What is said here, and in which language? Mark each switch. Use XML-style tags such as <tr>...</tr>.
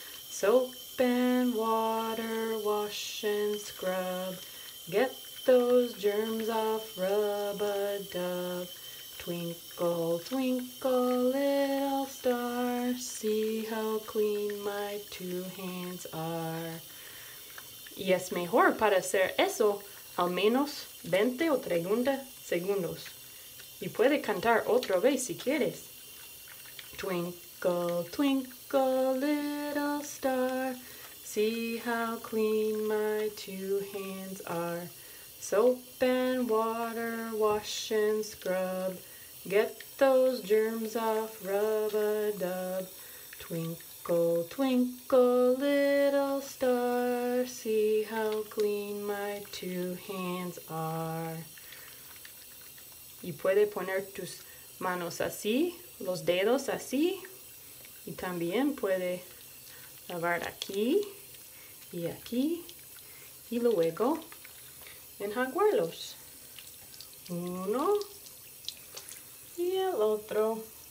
<en>Soap and water, wash and scrub. Get those germs off, rub-a-dub. Twinkle, twinkle, little star. See how clean my two hands are.</en> <es>Y es mejor para hacer eso al menos 20 o 30 segundos. Y puede cantar otra vez si quieres.</es> <en>Twinkle, twinkle, little star. See how clean my two hands are. Soap and water, wash and scrub. Get those germs off, rub-a-dub. Twinkle, twinkle, little star. See how clean my two hands are.</en> <es>Y puede poner tus manos así, los dedos así. Y también puede lavar aquí y aquí. Y luego enjuagarlos. Uno y el otro.</es>